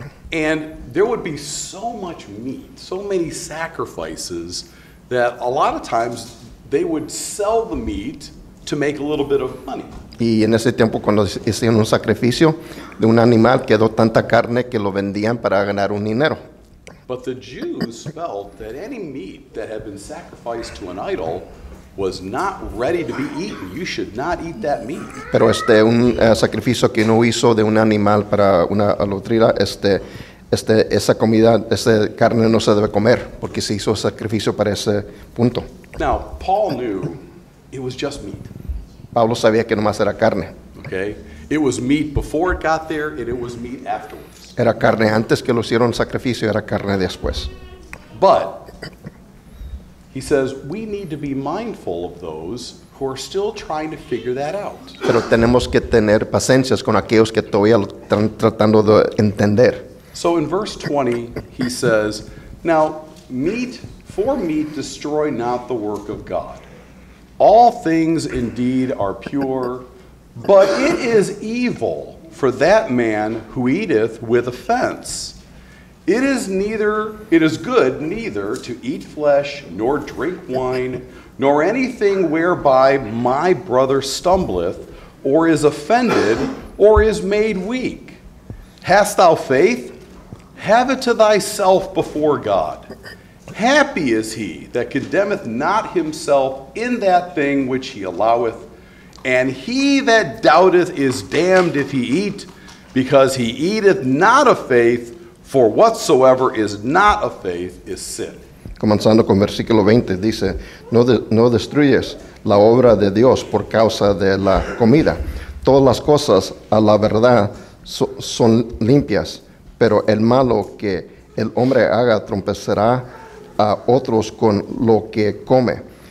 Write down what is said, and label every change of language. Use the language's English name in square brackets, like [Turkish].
[English] And there would be so much meat, so many sacrifices, that a lot of times they would sell the meat to make a little bit of money. [Spanish] Y en ese tiempo cuando hicieron un sacrificio de un animal quedó tanta carne que lo vendían para ganar un dinero. [English] But the Jews felt that any meat that had been sacrificed to an idol was not ready to be eaten. You should not eat that meat. [Spanish] Pero este un sacrificio que uno hizo de un animal para una lotería, esa comida, esa carne no se debe comer porque se hizo sacrificio para ese punto. [English] Now, Paul knew it was just meat. [Spanish] Pablo sabía que nomás era carne. [English] Okay. It was meat before it got there and it was meat afterwards. [Spanish] Era carne antes que lo hicieron sacrificio, era carne después. [English] But he says we need to be mindful of those who are still trying to figure that out. [Spanish] Pero tenemos que tener paciencia con aquellos que todavía lo están tratando de entender. [English] So in verse 20 he says, now meat for meat destroy not the work of God. All things indeed are pure, but it is evil for that man who eateth with offense. It is good neither to eat flesh, nor drink wine, nor anything whereby my brother stumbleth, or is offended, or is made weak. Hast thou faith? Have it to thyself before God. Happy is he that condemneth not himself in that thing which he alloweth, and he that doubteth is damned if he eat, because he eateth not of faith, for whatsoever is not of faith is sin. [Spanish] Comenzando con versículo 20, dice, no destruyes la obra de Dios por causa de la comida. Todas las cosas a la verdad son limpias, pero el malo que el hombre haga trompecerá a otros con lo que come.